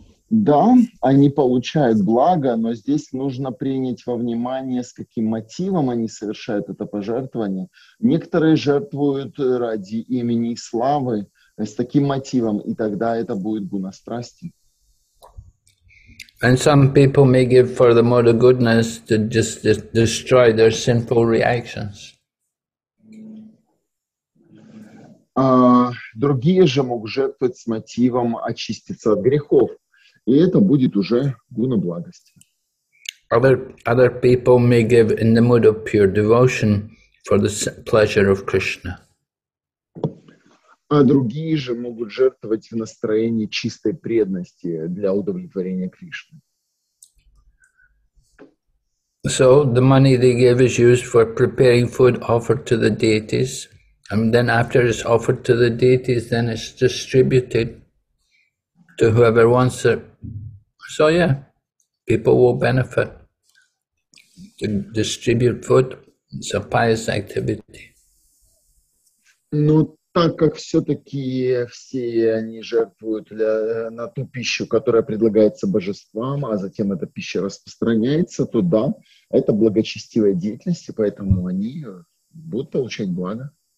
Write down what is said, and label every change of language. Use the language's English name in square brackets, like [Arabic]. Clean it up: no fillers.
[Russian] Да, они получают благо, но здесь нужно принять во внимание, с каким мотивом они совершают это пожертвование. Некоторые жертвуют ради имени и славы, с таким мотивом, и тогда это будет гуна страсти. [English] And some people may give for the mode of goodness to just destroy their sinful reactions. [Russian] Другие же могут жертвовать с мотивом очиститься от грехов, и это будет уже гуна благости. [English] Other people may give in the mode of pure devotion for the pleasure of Krishna. [Russian] А другие же могут жертвовать в настроении чистой преданности для удовлетворения Кришны. [English] So the money they give is used for preparing food offered to the deities, and then after it's offered to the deities, then it's distributed to whoever wants it. So yeah, people will benefit to distribute food. It's a pious activity. No. [Russian] Так как все-таки все они жертвуют на ту пищу, которая предлагается божествам, а затем эта пища распространяется, то да, это благочестивая деятельность, и поэтому они будут получать благо.